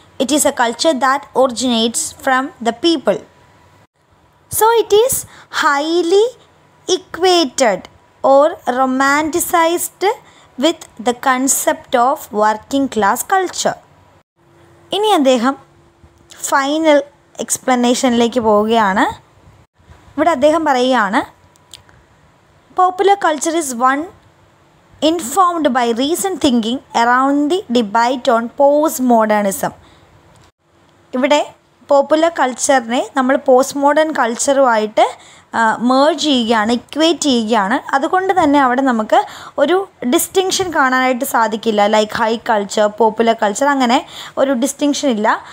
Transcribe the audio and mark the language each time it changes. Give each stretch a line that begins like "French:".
English: It is a culture that originates from the people. So it is highly equated or romanticised with the concept of working class culture.
Malayalam: ഇനി അദ്ദേഹം final എക്സ്പ്ലനേഷനിലേക്ക് പോവുകയാണ്. ഇവിടെ അദ്ദേഹം പറയുകയാണ്
English: popular culture is one informed by recent thinking around the debate on postmodernism.
Malayalam: ഇവിടെ popular കൾച്ചറിനെ നമ്മൾ post modern കൾച്ചറുമായിട്ട് merge ചെയ്യുകയാണ്, equate ചെയ്യുകയാണ്. അതുകൊണ്ട് തന്നെ അവിടെ നമുക്ക് ഒരു ഡിസ്റ്റിങ്ഷൻ കാണാനായിട്ട് സാധിക്കില്ല. Like high culture, popular culture, അങ്ങനെ ഒരു ഡിസ്റ്റിങ്ഷൻ ഇല്ല.